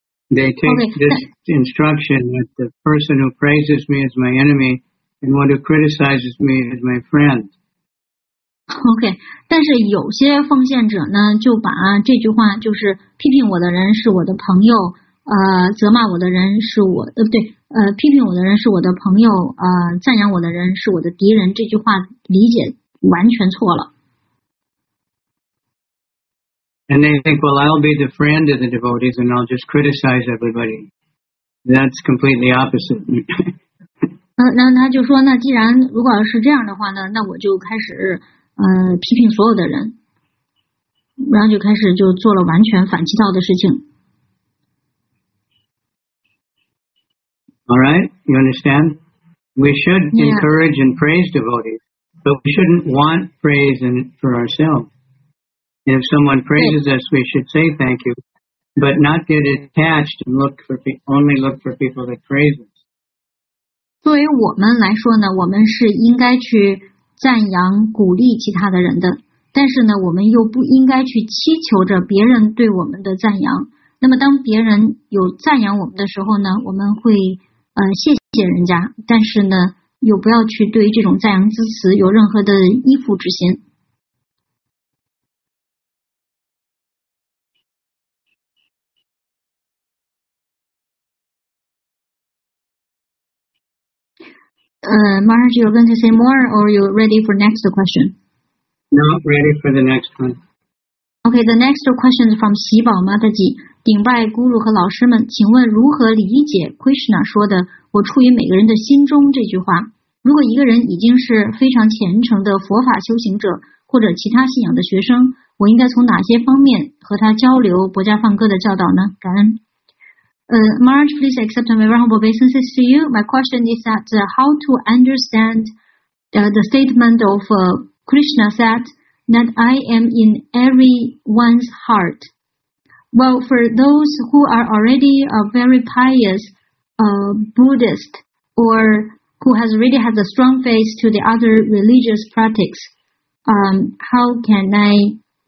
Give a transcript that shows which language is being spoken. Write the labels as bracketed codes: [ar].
[en] They take this instruction that the person who praises me is my enemy and one who criticizes me is my friend. [zh] OK， 但是有些奉献者呢，就把这句话就是批评我的人是我的朋友，责骂我的人是我，对，批评我的人是我的朋友，赞扬我的人是我的敌人，这句话理解完全错了。 [en] And they think, well, I'll be the friend of the devotees and I'll just criticize everybody. That's completely opposite. [zh] 那他就说，那既然如果是这样的话呢，那我就开始批评所有的人，然后就开始就做了完全反其道的事情。 [en] All right, you understand? We should encourage and praise devotees, but we shouldn't want praise for ourselves. If someone praises us, we should say thank you, but not get attached and only look for people that praise us. [zh] 作为我们来说呢，我们是应该去赞扬、鼓励其他的人的。但是呢，我们又不应该去祈求着别人对我们的赞扬。那么，当别人有赞扬我们的时候呢，我们会谢谢人家。但是呢，又不要去对于这种赞扬之词有任何的依附之心。 [en] Marge, you're going to say more or you're ready for next question? Not ready for the next one. Okay, the next question is from 喜宝 Mataji. [zh] 顶拜 Guru 和老师们，请问如何理解 Krishna 说的我处于每个人的心中这句话？如果一个人已经是非常虔诚的佛法修行者或者其他信仰的学生，我应该从哪些方面和他交流薄伽梵歌的教导呢？感恩。 [en] Marge, please accept my humble obeisances to you. My question is that how to understand the statement of Krishna that I am in everyone's heart. Well, for those who are already a very pious Buddhist or who has already had a strong faith to the other religious practices, how can I...